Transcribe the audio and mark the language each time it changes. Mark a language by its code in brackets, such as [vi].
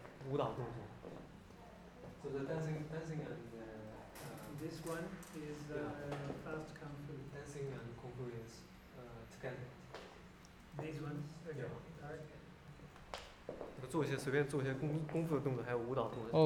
[zh] 就大家做一些舞蹈动作。So [en] dancing and this one is fast kung fu. Dancing and kung fu is together. These ones. Yeah. Okay. [zh] 做一些随便做一些功夫的动作，还有舞蹈动作。